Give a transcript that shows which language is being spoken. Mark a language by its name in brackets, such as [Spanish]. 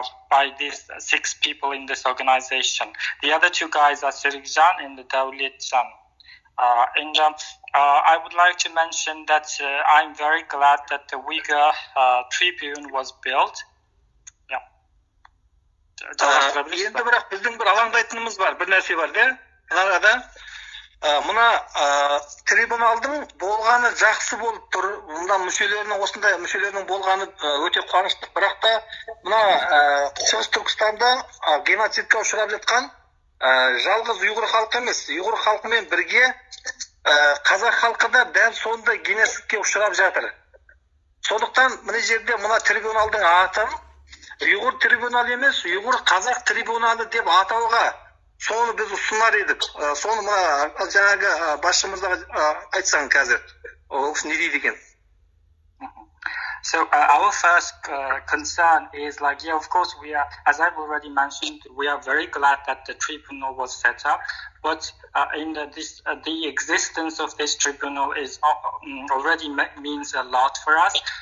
[English] by these six people in this organization. The other two guys are Serikjan and Davletjan. I would like to mention that I'm very glad that the Uyghur Tribune was built. [Kazakh] Енді бірақ біздің бір алаңдайтынымыз бар, бір нәрсе бар, де? Арада мына трибуналдың болғаны жақсы болып тұр. Мына мүшелерінің осындай мүшелерінің болғаны өте қуанышты. Бірақ та мына Шығыс Түркістанда геноцидке ұшырап жатқан жалғыз ұйғыр халқы емес, ұйғыр халқымен бірге қазақ халқы да дәл сондай геноцидке ұшырап жатыр. Сондықтан мына жерде мына трибуналдың атын ұйғыр трибунал емес, ұйғыр қазақ трибуналы деп атауға соны біз ұсынар едік. Соны мына жаңағы басшымызға айтсаң қазір. Ол не дейді екен? [English] So our first concern is like, yeah, of course, we are, as I've already mentioned, we are very glad that the tribunal was set up. But the existence of this tribunal is already means a lot for us.